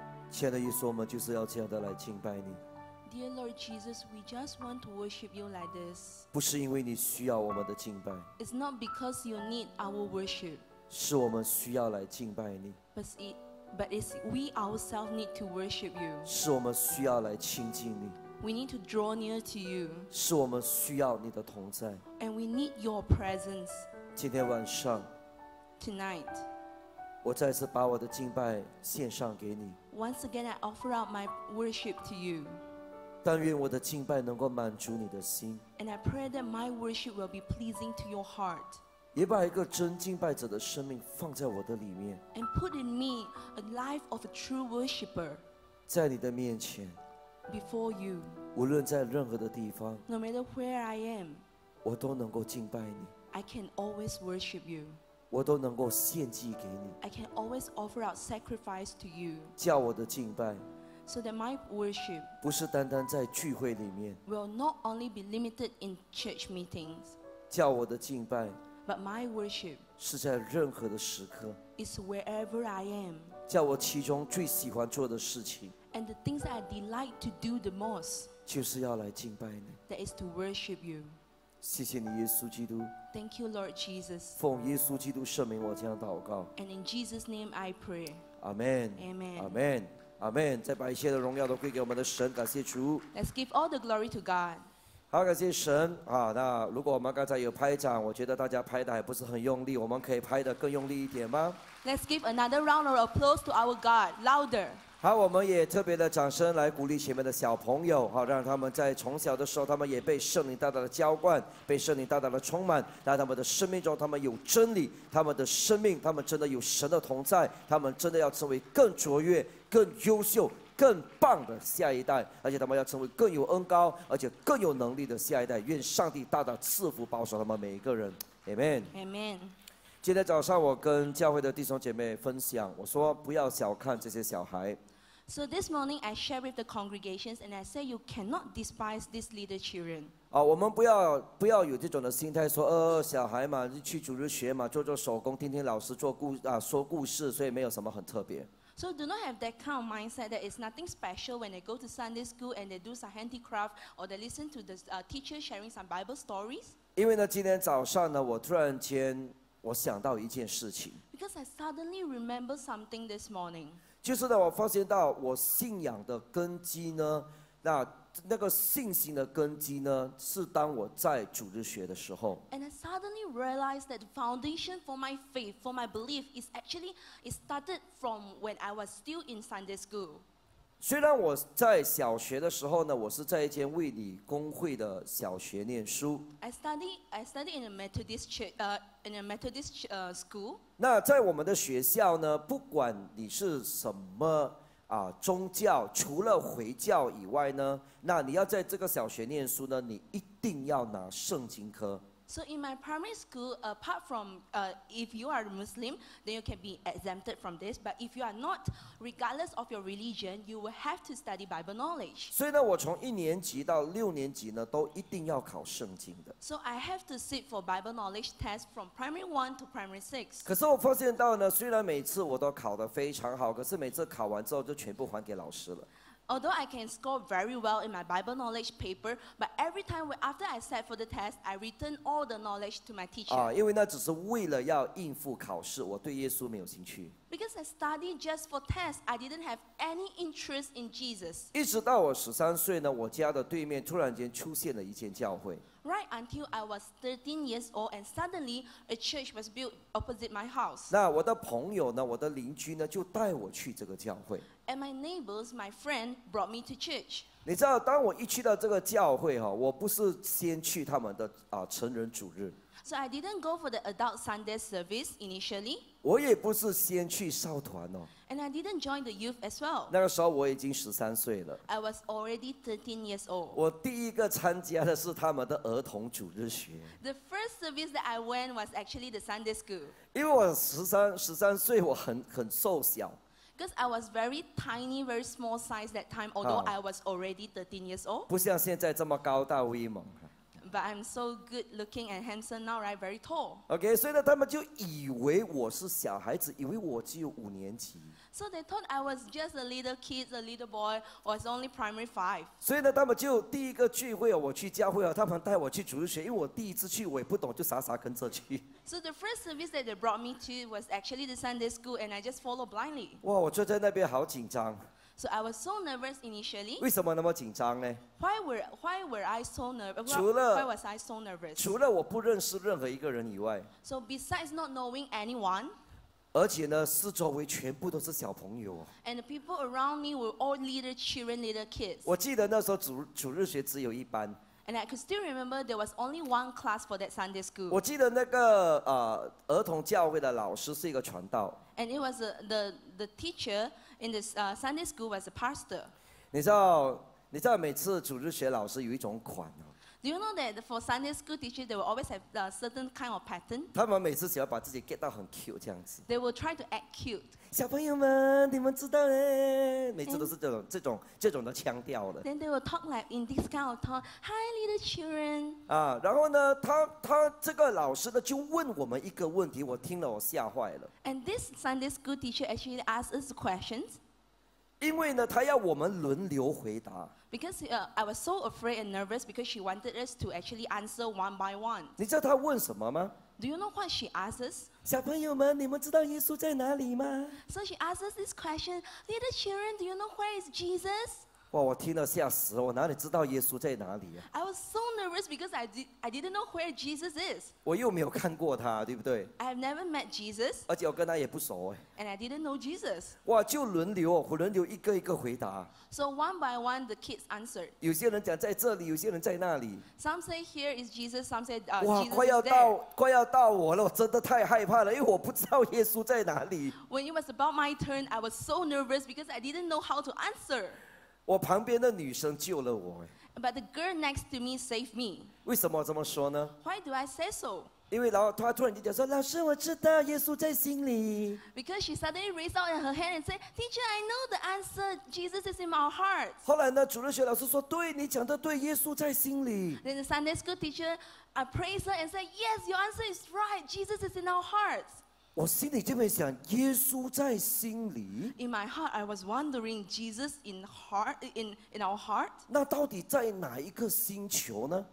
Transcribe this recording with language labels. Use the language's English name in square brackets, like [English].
[Chinese] 亲爱的耶稣，我们就是要这样的来敬拜你。 [English] Dear Lord Jesus, we just want to worship you like this. [Chinese] 不是因为你需要我们的敬拜。 [English] It's not because you need our worship. [Chinese] 是我们需要来敬拜你。 [English] But it's we ourselves need to worship you. [Chinese] 是我们需要来亲近你。 [English] We need to draw near to you. [Chinese] 是我们需要你的同在。 [English] And we need your presence. [Chinese] 今天晚上。 [English] Tonight. [Chinese] 我再次把我的敬拜献上给你。 [English] Once again, I offer up my worship to you. [Chinese] 但愿我的敬拜能够满足你的心。 [English] And I pray that my worship will be pleasing to your heart. [Chinese] 也把一个真敬拜者的生命放在我的里面。 [English] And put in me a life of a true worshipper. [Chinese] 在你的面前。 [English] Before you. [Chinese] 无论在任何的地方。 [English] No matter where I am. [Chinese] 我都能够敬拜你。 [English] I can always worship you. [Chinese] 我都能够献祭给你。 [English] I can always offer out sacrifice to you. [Chinese] 叫我的敬拜。 [English] So that my worship [Chinese] 不是单单在聚会里面 [English] will not only be limited in church meetings [Chinese] 叫我的敬拜 [English] but my worship [Chinese] 是在任何的时刻 [English] is wherever I am [Chinese] 叫我其中最喜欢做的事情 [English] and the things that I delight to do the most [Chinese] 就是要来敬拜你 [English] that is to worship you [Chinese] 谢谢你耶稣基督 [English] Thank you Lord Jesus [Chinese] 奉耶稣基督圣名我这样祷告 [English] and in Jesus name I pray Amen Amen [Chinese] Amen Amen 再把一切的荣耀都归给我们的神感谢主 [English] Let's give all the glory to God [Chinese] 好感谢神、啊、那如果我们刚才有拍掌我觉得大家拍的还不是很用力我们可以拍的更用力一点吗 [English] Let's give another round of applause to our God louder [Chinese] 好我们也特别的掌声来鼓励前面的小朋友、啊、让他们在从小的时候他们也被圣灵大大的浇灌被圣灵大大的充满让他们的生命中他们有真理他们的生命他们真的有神的同在他们真的要成为更卓越更优秀更棒的下一代而且他们要成为更有恩膏而且更有能力的下一代愿上帝大大赐福保守他们每一个人 Amen [English] Amen [Chinese] 今天早上我跟教会的弟兄姐妹分享我说不要小看这些小孩 [English] So this morning I share with the congregations and I say you cannot despise these little children、 [Chinese] 啊、我们不要有这种的心态说小孩嘛去主日学嘛做做手工听听老师做故、啊、说故事所以没有什么很特别 [English] So do not have that kind of mindset that it's nothing special when they go to Sunday school and they do some handicraft or they listen to the、teacher sharing some Bible stories. [Chinese] 因为呢今天早上呢我突然间我想到一件事情。 [English] Because I suddenly remember something this morning. [Chinese] 就是呢我发现到我信仰的根基呢那个信心的根基呢是当我在主日学的时候 [English] and I suddenly realized that the foundation for my faith for my belief is actually it started from when I was still in Sunday school [Chinese] 虽然我在小学的时候呢我是在一间卫理公会的小学念书 [English] I studied in a Methodist church、in a Methodist、school [Chinese] 那在我们的学校呢不管你是什么啊、宗教除了回教以外呢那你要在这个小学念书呢你一定要拿圣经科 [English] So in my primary school apart from、if you are Muslim then you can be exempted from this but if you are not regardless of your religion you will have to study Bible knowledge [Chinese] 所以呢我从一年级到六年级呢都一定要考圣经的 [English] So I have to sit for Bible knowledge test from primary 1 to primary 6 [Chinese] 可是我发现到呢虽然每次我都考得非常好可是每次考完之后就全部还给老师了 [English] Although I can score very well in my Bible knowledge paper, but every time after I sat for the test, I return all the knowledge to my teacher. [Chinese] 因为那只是为了要应付考试，我对耶稣没有兴趣。 [English] Because I studied just for tests, I didn't have any interest in Jesus. [Chinese] 一直到我13岁呢，我家的对面突然间出现了一间教会。 [English] Right until I was 13 years old, and suddenly a church was built opposite my house. [Chinese] 那我的朋友呢，我的邻居呢，就带我去这个教会。 [English] And my neighbors, my friend, brought me to church. [Chinese] 你知道，当我一去到这个教会哈，我不是先去他们的啊成人主日。 [English] So I didn't go for the adult Sunday service initially. [Chinese] 我也不是先去少团哦。 [English] And I didn't join the youth as well. [Chinese] 那个时候我已经13岁了。 [English] I was already 13 years old. [Chinese] 我第一个参加的是他们的儿童主日学。 [English] The first service that I went was actually the Sunday school. [Chinese] 因为我13岁，我很瘦小。 [English] Because I was very tiny, very small size that time, although I was already 13 years old. [Chinese] 不像现在这么高大威猛。 [English] But I'm so good looking and handsome now, right? Very tall. [Chinese] Okay, 所以呢，他们就以为我是小孩子，以为我只有五年级。 [English] So they thought I was just a little kid, a little boy, was only primary five. [Chinese] 所以呢，他们就第一个聚会我去教会他们带我去主日学，因为我第一次去，我也不懂，就傻傻跟着去。 [English] So the first service that they brought me to was actually the Sunday school, and I just followed blindly. [Chinese] 哇，我坐在那边好紧张。 [English] So I was so nervous initially. [Chinese] 为什么那么紧张呢？ [English] Why was I so nervous? [Chinese] 除了我不认识任何一个人以外。 [English] So besides not knowing anyone. [Chinese] 而且呢，四周围全部都是小朋友。 [English] And the people around me were all little children, little kids. [Chinese] 我记得那时候主日学只有一班。 [English] And I could still remember there was only one class for that Sunday school. [Chinese] 我记得那个儿童教会的老师是一个传道。 [English] And it was the teacher. In this Sunday school was a pastor. [Chinese] 你知道每次主日学老师有一种款哦。 [English] Do you know that for Sunday school teachers, they will always have a certain kind of pattern? [Chinese] 他们每次喜欢把自己 [English] get [Chinese] 到很 [English] cute [Chinese] 这样子。 [English] They will try to act cute. [Chinese] 小朋友们，你们知道嘞，每次都是这种的腔调的。 [English] Then they will talk like in this kind of tone. Hi, little children. [Chinese] 啊，然后呢，他这个老师呢就问我们一个问题，我听了我吓坏了。 [English] And this Sunday school teacher actually asked us questions. [Chinese] 因为呢，他要我们轮流回答。 [English] Because I was so afraid and nervous because she wanted us to actually answer one by one. [Chinese] 你知道他问什么吗 [English] ？Do you know what she asked us? [Chinese] 小朋友们，你们知道耶稣在哪里吗 [English] ？So she asked us this question, little children, do you know where is Jesus? [Chinese] 哇，我听了吓死了，我哪里知道耶稣在哪里啊 [English] ？I was so nervous because I didn't know where Jesus is. [Chinese] 我又没有看过他，对不对 [English] ？I have never met Jesus. [Chinese] 而且我跟他也不熟哎。 [English] And I didn't know Jesus. [Chinese] 哇，就轮流一个一个回答。 [English] So one by one, the kids answered. [Chinese] 有些人讲在这里，有些人在那里。 [English] Some say here is Jesus. Some say Jesus is there. [Chinese] 哇，快要到我了，我真的太害怕了，因为我不知道耶稣在哪里。 [English] When it was about my turn, I was so nervous because I didn't know how to answer. [Chinese] 我旁边的女生救了我。 [English] But the girl next to me saved me. [Chinese] 为什么这么说呢 [English] ？Why do I say so？ [Chinese] 因为然后她突然间说：“老师，我知道耶稣在心里。 [English] ”Because she suddenly raised out her hand and said, "Teacher, I know the answer. Jesus is in our hearts." [Chinese] 后来呢，主日学老师说：“对，你讲的对，耶稣在心里。 [English] ”Then the Sunday school teacher appraised her and said, "Yes, your answer is right. Jesus is in our hearts." [Chinese] 我心里这么想，耶稣在心里。 [English] In my heart, I was wondering, Jesus in heart, in our heart. [Chinese] 那到底在哪一个星球呢